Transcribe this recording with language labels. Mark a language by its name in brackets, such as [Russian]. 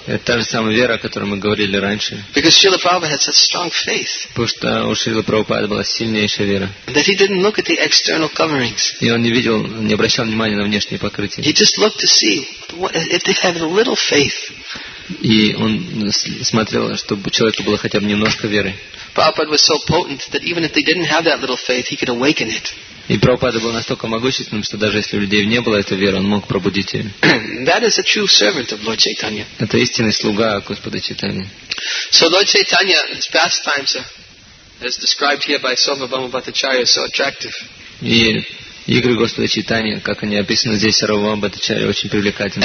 [Russian] Это та же самая вера, о которой мы говорили раньше. [English] Because Śrīla Prabhupada had such strong faith. [Russian] Потому что у Шрилы Прабхупады была сильнейшая вера. [English] That he didn't look at the external coverings. [Russian] И он не видел, не обращал внимания на внешние покрытия. [English] He just looked to see if they had a little faith. [Russian] И он смотрел, чтобы у человека было хотя бы немножко веры. [English] Prabhupada was so potent that even if they didn't have that little faith, he could awaken it. [Russian] И Прабхупада был настолько могущественным, что даже если у людей не было этой веры, он мог пробудить ее. [English] That is a true servant of Lord Chaitanya. [Russian] Это истинный слуга Господа Чайтаньи. [English] So Lord Chaitanya's pastimes are, as described here by Sarvabhauma Bhattacharya, so attractive. [Russian] И игры Господа Чайтаньи, как они описаны здесь, Сарвабхаума Бхаттачарья, очень привлекательны.